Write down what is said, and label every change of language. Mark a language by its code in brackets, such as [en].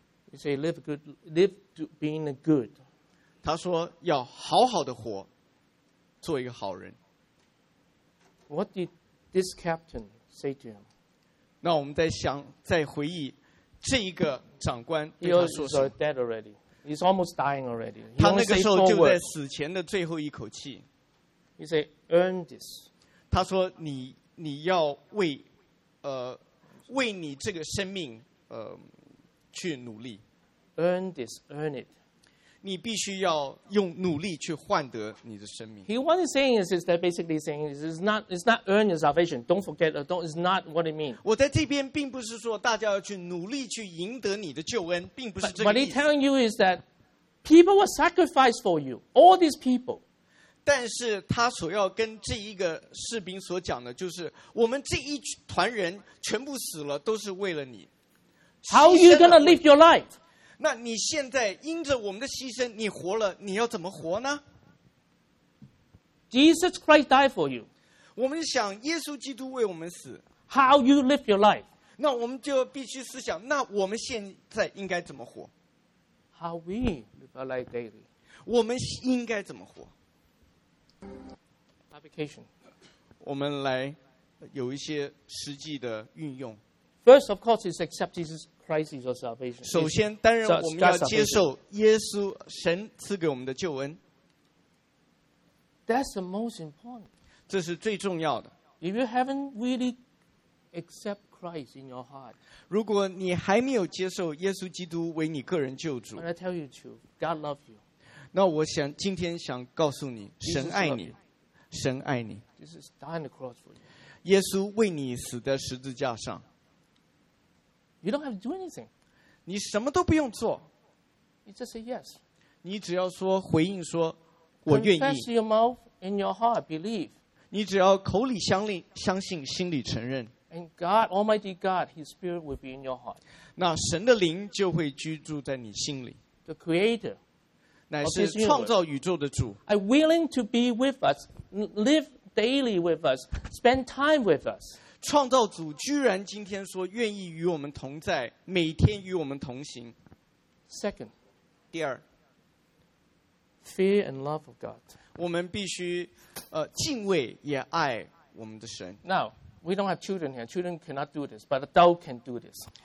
[en] You say live good, live to being a good. [zh] 他说要好好的活，做一个好人。 [en] What did this captain say to him? [zh] 那我们再想，再回忆。这一个长官对他说什么 [en] He's dead already. He's almost dying already. [zh] 他那个时候就在死前的最后一口气。 [en] He said, "Earn this." [zh] 他说你要为为你这个生命去努力。 [en] Earn this, earn it. [zh] 你必须要用努力去换得你的生命。 [en] He what he's saying is that basically saying is it's not earn your salvation. Don't forget, it's not what it means. [zh] 我在这边并不是说大家要去努力去赢得你的救恩，并不是这个意思。 [en] What he's telling you is that people will sacrifice for you. All these people. [zh] 但是他所要跟这一个士兵所讲的就是，我们这一团人全部死了，都是为了你。 [en] How are you gonna live your life? [zh] 那你现在因着我们的牺牲，你活了，你要怎么活呢 [en] ？Jesus Christ died for you. [zh] 我们想耶稣基督为我们死。 [en] How you live your life? [zh] 那我们就必须思想，那我们现在应该怎么活 [en] ？How we live our life daily? [zh] 我们应该怎么活 [en] ？Application. [zh] 我们来有一些实际的运用。 [en] First, of course, is accept Jesus Christ is your salvation. [zh] 首先，当然我们要接受耶稣神赐给我们的救恩。 [en] That's the most important. [zh] 这是最重要的。 [en] If you haven't really accept Christ in your heart, [zh] 如果你还没有接受耶稣基督为你个人救主 [en] ，I tell you too, God loves you. [zh] 那我想今天想告诉你，神爱你，神爱你。 [en] Jesus died on the cross for you. [zh] 耶稣为你死在十字架上。 [en] You don't have to do anything. [zh] 你什么都不用做。 [en] You just say yes. [zh] 你只要说回应说，我愿意。 [en] Confess your mouth and your heart, believe. [zh] 你只要口里相信，心里承认。 [en] And God, Almighty God, His Spirit will be in your heart. [zh] 那神的灵就会居住在你心里。 [en] The Creator, [zh] 乃是创造宇宙的主。 [en] I'm willing to be with us, live daily with us, spend time with us. [zh] 创造主居然今天说愿意与我们同在，每天与我们同行。 [en] Second, [zh] 第二 [en] ，fear and love of God. [zh] 我们必须敬畏也爱我们的神。 [en] Now, we don't have children here. Children cannot do this, but adult can do this.